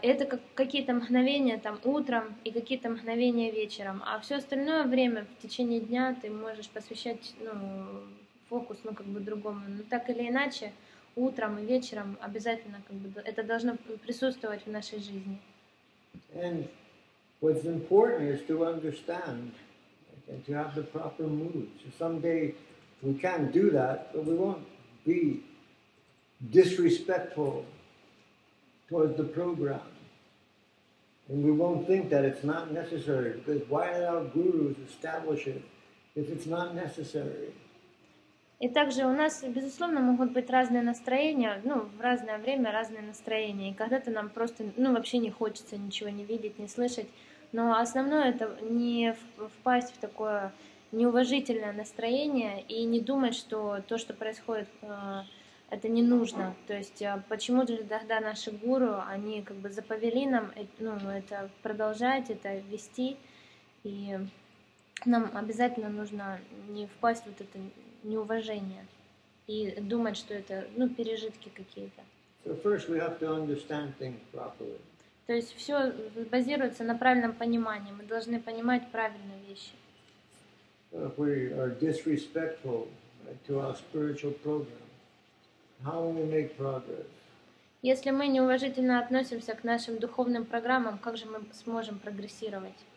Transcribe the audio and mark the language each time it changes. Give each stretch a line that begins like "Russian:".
Russian: Это как какие-то мгновения там утром и какие-то мгновения вечером, а все остальное время в течение дня ты можешь посвящать, ну, фокус, ну, как бы другому. Но так или иначе, утром и вечером обязательно как бы это должно присутствовать в нашей жизни.
English: And what's important is to understand and to have the proper mood. So someday we can do that, but we won't be disrespectful towards the program. And we won't think that it's not necessary, because why did our gurus establish it if it's not necessary?
Russian: И также у нас, безусловно, могут быть разные настроения, ну, в разное время разные настроения. И когда-то нам просто, ну, вообще не хочется ничего не видеть, не слышать. Но основное — это не впасть в такое неуважительное настроение и не думать, что то, что происходит, это не нужно. То есть почему же тогда наши гуру, они как бы заповели нам, ну, это продолжать, это вести, и нам обязательно нужно не впасть в вот это неуважение и думать, что это, ну, пережитки какие-то.
English: So first we have to understand things properly.
Russian: То есть все базируется на правильном понимании, мы должны понимать правильные вещи.
English: we are disrespectful to our spiritual program, how will we make progress?
Russian: Если мы неуважительно относимся к нашим духовным программам, как же мы сможем прогрессировать?